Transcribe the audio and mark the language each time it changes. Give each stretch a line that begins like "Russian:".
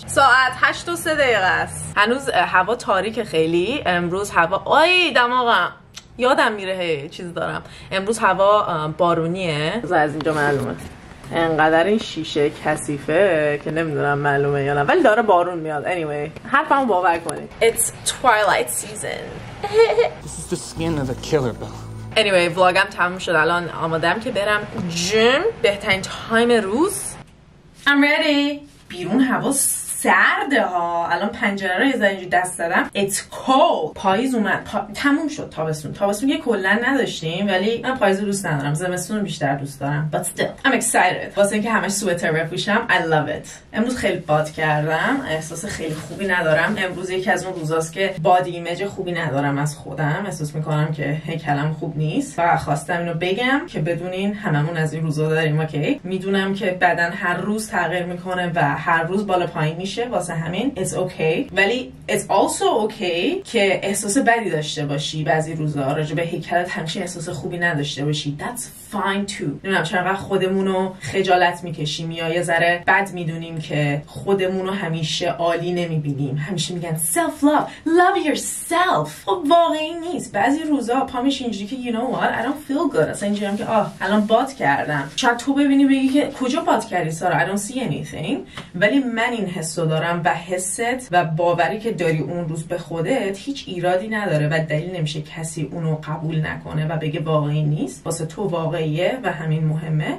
Persian: ساعت 8:03 است. هنوز هوا تاریکه خیلی. امروز هوا آی دماغم یادم میره چیز دارم. امروز هوا بارونیه. از اینجا معلومه انقدر این شیشه کثیفه که نمیدونم معلومه یا نه، ولی داره بارون میاد. anyway حرفمو باور کنید.
English: It's twilight season. This is the skin of a killer bell.
Persian: anyway ولاگم تموم شد، الان آمادم که برم جیم. بهترین تایم روز.
English: I'm ready.
Persian: بیرون هوا سرده ها، الان پنجره رو یه ذره اینجوری دست دادم.
English: It's cold.
Persian: پاییز اومد. تموم شد تابستون. تابستون که کلا نداشتیم، ولی من پاییز رو دوست ندارم. زمستون رو بیشتر دوست دارم.
English: But still I'm excited.
Persian: واسه اینکه همش سوئتر بپوشم.
English: I love it.
Persian: امروز خیلی باد کردم. احساس خیلی خوبی ندارم. امروز یکی از اون روزاست که باد ایمیج خوبی ندارم از خودم. احساس میکنم که هیکلم خوب نیست. فقط خواستم اینو بگم که بدونین هممون از این روزا داریم، اوکی؟ میدونم که بدن هر روز تغییر میکنه و هر روز بالا پایین میشه، واسه همین
English: it's okay.
Persian: ولی
English: it's also okay
Persian: که احساس بدی داشته باشی بعضی روزا، راجع به هیکلت همیشه احساس خوبی نداشته باشی.
English: That's fine too.
Persian: نمیدونم چرا وقت خودمونو خجالت میکشیم یا یه ذره بد میدونیم که خودمونو همیشه عالی نمیبینیم. همیشه میگن
English: self love, love yourself.
Persian: خب واقعی نیست. بعضی روزا پا میشی اینجوری که
English: you know what, I don't feel good.
Persian: اصلا اینجوری هم که آه الان باد کردم. شاید تو ببینی بگی که کجا باد کردی سارا,
English: I don't see anything.
Persian: ولی من این حسو دارم و حست و باوری که داری اون روز به خودت هیچ ایرادی نداره و دلیل نمیشه کسی اونو قبول نکنه و بگه واقعی نیست. واسه تو واقعیه و همین مهمه.